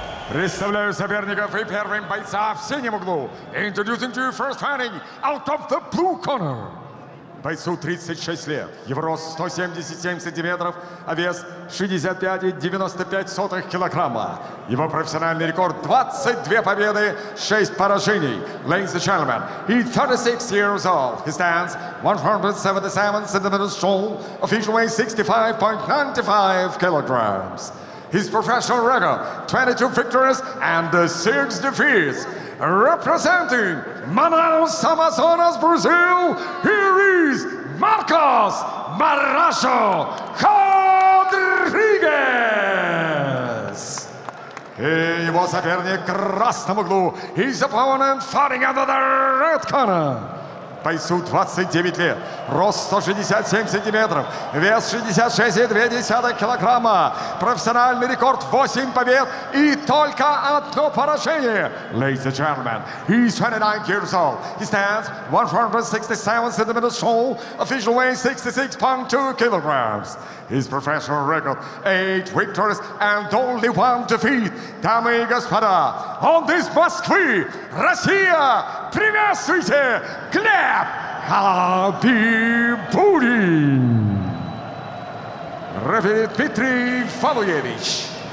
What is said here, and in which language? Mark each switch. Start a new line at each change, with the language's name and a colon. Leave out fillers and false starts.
Russian: Представляю соперников и первым бойца в синем углу.
English: Introducing to you first fighting out of the blue corner.
Russian: Бойцу 36 лет. Его рост 177 сантиметров, а вес 65,95 килограмма. Его профессиональный рекорд 22 победы, 6 поражений.
English: Ladies and gentlemen, he's 36 years old. He stands 177 centimeters tall, official weight 65.95 kilograms. His professional record, 22 victories and 6 defeats. Representing Manaus, Amazonas, Brazil, here is Marcos Marrazo Rodriguez.
Russian: И его соперник в красном углу.
English: His opponent fighting under the red corner.
Russian: Бойцу 29 лет, рост 167 сантиметров, вес 66,2 килограмма, профессиональный рекорд 8 побед и только одно поражение.
English: Ladies and gentlemen, he's 29 years old, he stands 167 centimeters tall, official weight 66.2 kilograms. His professional record, 8 victories and only 1 defeat.
Russian: Дамы и господа, он из Москвы, Россия, приветствуйте, Глеб Хабибулин. Рефери Дмитрий Фалуевич.